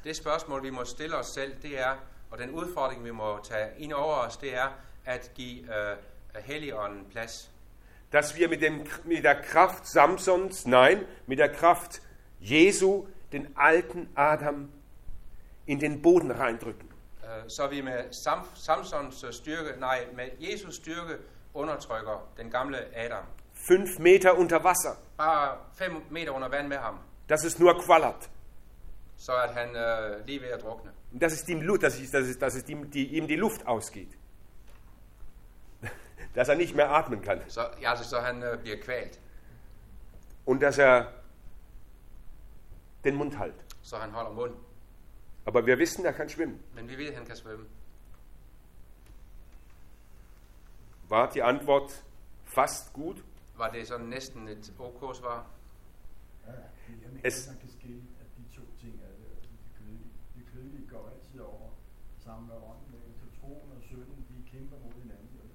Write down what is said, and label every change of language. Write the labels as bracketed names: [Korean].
[Danish] Det spørgsmål, vi må stille os selv, det er, og den udfordring, vi må tage ind over os, det er, at give Helligånden plads. [German] Dass wir mit der Kraft Samsons, nein, mit der Kraft Jesu, den alten Adam in den Boden reindrücken. [Danish] Så vi med Samsons styrke, nej, med Jesus styrke undertrykker den gamle Adam. [German] 5 Meter unter Wasser. [Danish] Bare 5 Meter under vand med ham. [German] Das ist nur qualat. [Danish] Så at han lige ved at drukne. [German] Das ist ihm Luft, ihm die Luft ausgeht. Dass er nicht mehr atmen kann. So, ja, also [Danish] so han bliver kvalt. [German] Und dass er den Mund hält. [Danish] So han holder mund. [German] Aber wir wissen, er kann schwimmen. [Danish] Men vi ved, han kan svømme. [German] War die Antwort fast gut? [Danish] War det sådan næsten et okay svar? Ja, det er ikke sådan, at det sker, at de to ting er det kødelige går altid over sammen med ånden, men så troen og synden, de kæmper mod hinanden.